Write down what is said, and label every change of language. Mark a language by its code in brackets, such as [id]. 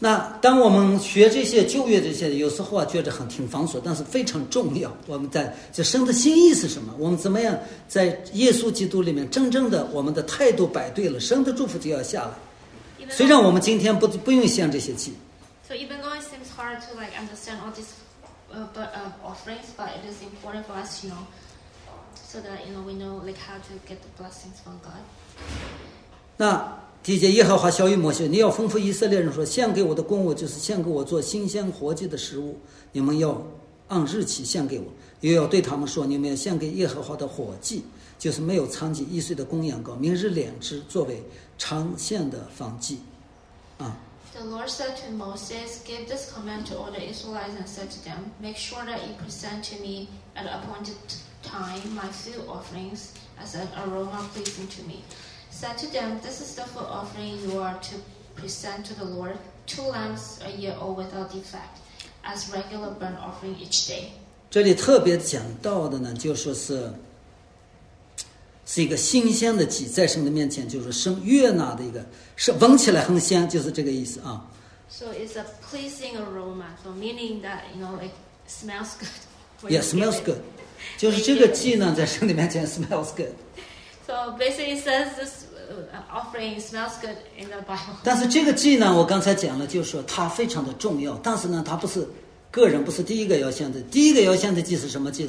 [zh] 那当我们学这些旧约这些，有时候啊觉得很挺繁琐，但是非常重要。我们在这神的心意是什么？我们怎么样在耶稣基督里面真正的我们的态度摆对了，神的祝福就要下来。虽然我们今天不用献这些祭。 [en] So even though it seems hard to like understand all these offerings, but it is important for us, you know, so that you know we know like how to get the blessings from God. [zh] 那第一节，耶和华晓谕摩西，你要吩咐以色列人说，献给我的供物就是献给我做新鲜活祭的食物，你们要按日期献给我，又要对他们说，你们要献给耶和华的火祭，就是没有残疾一岁的公羊羔，明日两只，作为常献的燔祭。 [en] The Lord said to Moses, give this command to all the Israelites and said to them, make sure that you present to me at an appointed time my food offerings as an aroma pleasing to me. Said to them, this is the food offering you are to present to the Lord, two lambs a year old without defect, as regular burnt offering each day. [zh] 这里特别讲到的呢，就说是一个新鲜的祭，在神的面前就是神悦纳的一个，是闻起来很香，就是这个意思啊。 [en] So it's a pleasing aroma, so meaning that you know it smells good. Yeah, smells good. [zh] 就是这个祭呢，在神的面前 [en] smells good. So basically, it says this offering smells good in the Bible. [zh] 但是这个祭呢，我刚才讲了，就是说它非常的重要。但是呢，它不是个人，不是第一个要献的。第一个要献的祭是什么祭？